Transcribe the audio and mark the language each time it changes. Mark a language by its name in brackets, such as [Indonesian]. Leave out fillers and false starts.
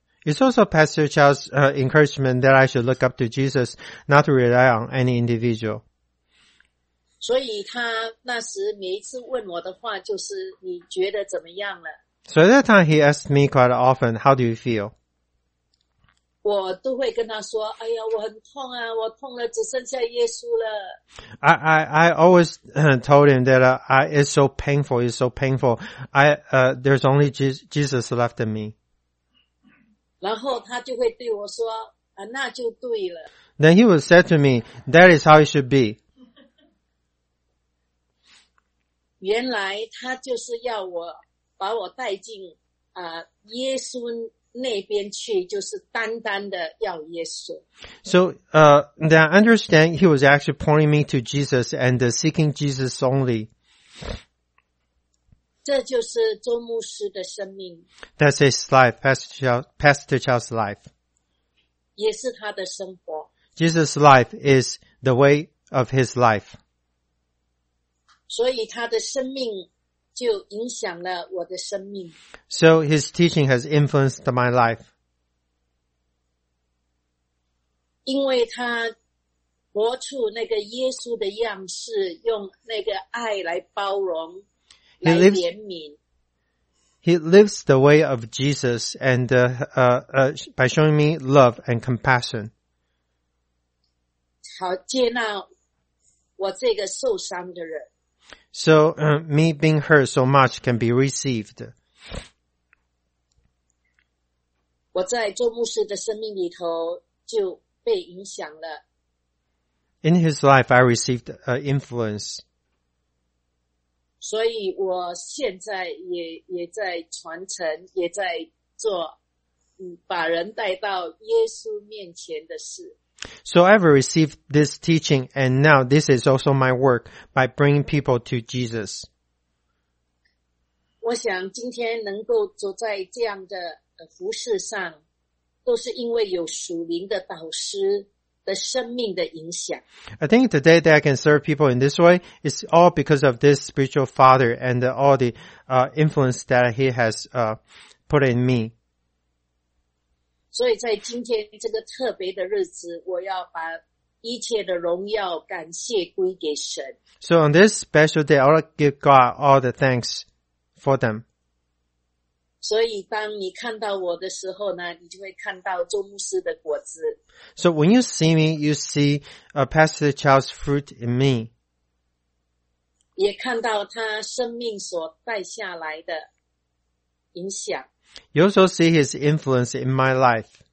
[English] It's also Pastor Chow's encouragement that I should look up to Jesus, not to rely on any individual. [Chinese] 所以他那时每一次问我的话就是，你觉得怎么样了？ [English] So at that time, he asked me quite often, how do you feel? [Chinese] 我都会跟他说，哎呀，我很痛啊，我痛了，只剩下耶稣了。 [English] I always told him that it's so painful, it's so painful. There's only Jesus left in me. [Chinese] 然后他就会对我说，那就对了。 [English] Then he would say to me, that is how it should be. [Chinese] 原来他就是要我把我带进耶稣那边去，就是单单的要耶稣。 [English] So, I understand he was actually pointing me to Jesus and seeking Jesus only. [Chinese] 这就是周牧师的生命。 [English] That's his life, Pastor Chow's life. [Chinese] 也是他的生活。 [English] Jesus' life is the way of his life. [Chinese] 所以他的生命就影响了我的生命。 [English] So his teaching has influenced my life. [Chinese] 因为他活出那个耶稣的样式，用那个爱来包容，来怜悯。 [English] He lives the way of Jesus and by showing me love and compassion. [Chinese] 好，接纳我这个受伤的人。 [English] So, me being hurt so much can be received. [Chinese] 我在周牧师的生命里头就被影响了。 [English] In his life, I received influence. [Chinese] 所以我现在也在传承，也在做把人带到耶稣面前的事。 [English] So I've received this teaching, and now this is also my work by bringing people to Jesus. [Chinese] 我想今天能够走在这样的服事上，都是因为有属灵的导师的生命的影响。 [English] I think the day that I can serve people in this way is all because of this spiritual father and all the influence that he has put in me. [Chinese] 所以在今天这个特别的日子，我要把一切的荣耀感谢归给神。 [English] So on this special day, I'll give God all the thanks for them. [Chinese] 所以当你看到我的时候呢，你就会看到周牧师的果子。 [English] So when you see me, you see a Pastor Charles' fruit in me. [Chinese] 也看到他生命所带下来的影响。 [English] You also see his influence in my life.